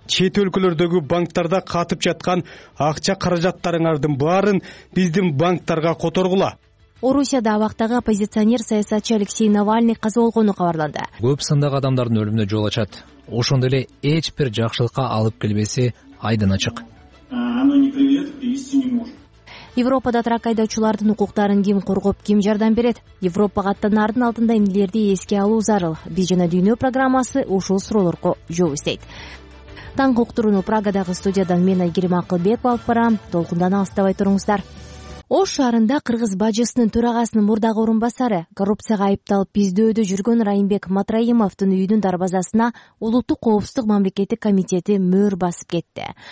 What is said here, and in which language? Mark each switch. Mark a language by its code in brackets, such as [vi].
[ky] Чет өлкөлөрдөгү банктарда катып жаткан акча каражаттарыңардын баарын биздин банктарга которгула. Орусияда абактагы оппозиционер саясатчы Алексей Навальный каза болгону кабарланды. Көп сандагы адамдардын өлүмүнө жол ачат. Ошондой эле эч бир жакшылыкка алып келбесе айдан ачык. [ru] Оно не приведет к истине может. [ky] Европада трак айдоочулардын укуктарын ким коргоп, ким жардам берет? Европага аттанардын алдында эмнелерди эске алуу зарыл? Биз жана дүйнө программасы ушул суроолорго жооп издейт. Таң уктурууну Прагадагы студиядан мен Айгерим Акылбекова алып барам. Толкундан алыстабай туруңуздар. Ош шаарында кыргыз бажысынын төрагасынын мурдагы орун басары коррупцияга айыпталып издөөдө жүргөн Райымбек Матраимовдун үйүнүн дарбазасына улуттук коопсуздук мамлекеттик комитети мөр басып кетти.